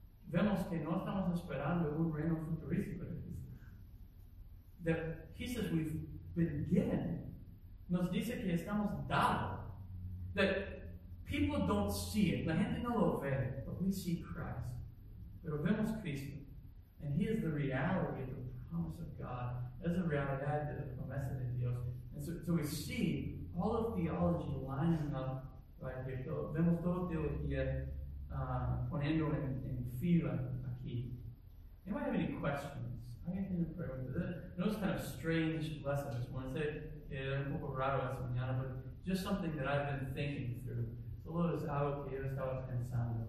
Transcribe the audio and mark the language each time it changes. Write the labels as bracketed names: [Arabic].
[Spanish] Vemos que no estamos esperando un reino futurístico. [English] That he says we've been given. [Spanish] Nos dice que estamos dado. [English] That people don't see it. [Spanish] La gente no lo ve. [English] But we see Christ. [Spanish] Pero vemos Cristo. [English] And he is the reality of the promise of God. [Spanish] Es la realidad de la promesa de Dios. [English] And so we see all of theology lining up right here. [Spanish] So vemos toda teología poniendo en fila aquí. [English] Anybody have any questions? I can pray with you. I know it's kind of strange lesson this morning. Say, [Spanish] un poco raro esta mañana, [English] but just something that I've been thinking through. [Spanish] So lo es algo que yo estaba pensando.